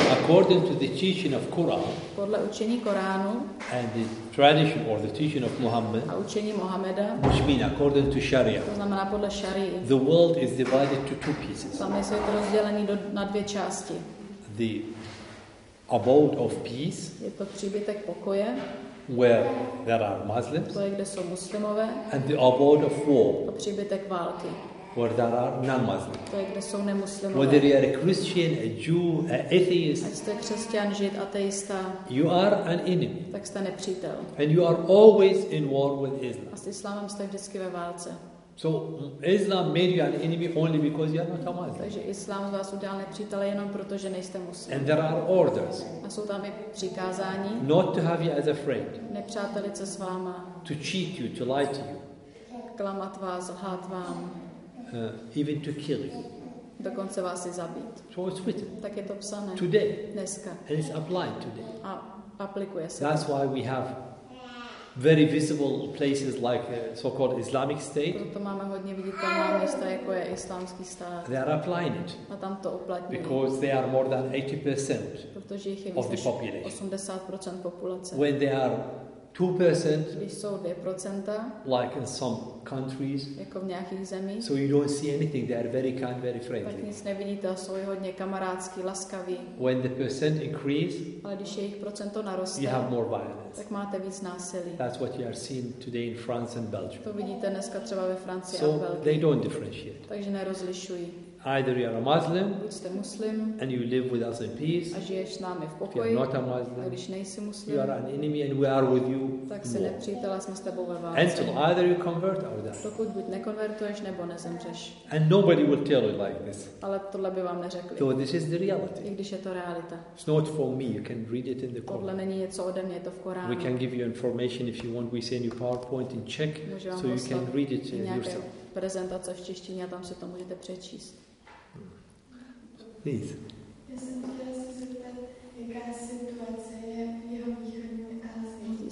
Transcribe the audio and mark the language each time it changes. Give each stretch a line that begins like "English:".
English: According to the teaching of Quran,
Czech: podle učení Koránu,
English: and the tradition or the teaching of Muhammad,
Czech: a učení Mohameda,
English: which means according to Sharia,
Czech: to znamená podle Šarii,
English: the world is divided to two pieces.
Czech: Samé svět je rozdělený na dvě části.
English: The abode of peace,
Czech: je to příbytek pokoje,
English: where there are Muslims,
Czech: to je, kde jsou muslimové,
English: and the abode of war,
Czech: to příbytek války.
English: Where there are non-Muslims.
Czech: To je, kde jsou nemuslimové.
English: Whether you are a Christian, a Jew, an atheist.
Czech: Ať jste křesťan, žid, ateista.
English: You are an enemy.
Czech: Tak jste nepřítel.
English: And you are always in war with Islam.
Czech: A s Islámem jste vždycky ve válce.
English: So Islam made you an enemy only because you are not a Muslim.
Czech: Takže Islám z vás udělal nepřítele jenom proto, že nejste muslim.
English: And there are orders.
Czech: A jsou tam i přikázání.
English: Not to have you as a friend.
Czech: Nepřátelit se s váma.
English: To cheat you, to lie to you.
Czech: Klamat vás, lhát vám.
English: Even to kill you.
Czech: Dokonce vás i zabít.
English: So it's written.
Czech: Tak je to psané.
English: Today.
Czech: Dneska.
English: And it's applied today.
Czech: A aplikuje se.
English: That's why we have very visible places like so-called Islamic State.
Czech: Proto máme hodně viditelné města, jako je Islámský stát.
English: They are applying it.
Czech: A tam to uplatňují.
English: Because they are more than 80% of the population.
Czech: 80% populace.
English: When they are 2%,
Czech: když jsou 2%,
English: like in some countries,
Czech: jako v nějakých zemích,
English: so you don't see anything. They are very kind, very friendly.
Czech: Tak nic nevidíte, jsou hodně kamarádský, laskaví.
English: When the percent increase,
Czech: ale když jejich procento naroste,
English: you have more violence.
Czech: Tak máte víc násilí.
English: That's what you are seeing today in France and Belgium.
Czech: To vidíte dneska třeba ve Francii
English: so
Czech: a Belgii.
English: So they don't differentiate.
Czech: Takže nerozlišují.
English: Either you are a Muslim,
Czech: buď jste muslim,
English: and you live with us in peace.
Czech: A žiješ s námi v pokoji.
English: If you are not a Muslim,
Czech: a když nejsi muslim,
English: you are an enemy, and we are with you.
Czech: Tak si nepřítel, jsme s tebou ve válce.
English: Until either you convert or die.
Czech: Dokud buď nekonvertuješ nebo nezemřeš.
English: And nobody will tell you like this.
Czech: Ale tohle by vám neřekli.
English: So this is the reality.
Czech: I když je to realita.
English: It's not for me. You can read it in the Quran.
Czech: Tohle není něco ode mě, je to v Koránu.
English: We can give you information if you want. We send you PowerPoint in Czech, so you can read it yourself.
Czech: Prezentace v češtině, tam se to můžete přečíst.
English: Please.
Czech: Já jsem chtěla se zeptat, jaká situace je v jeho východní Asii.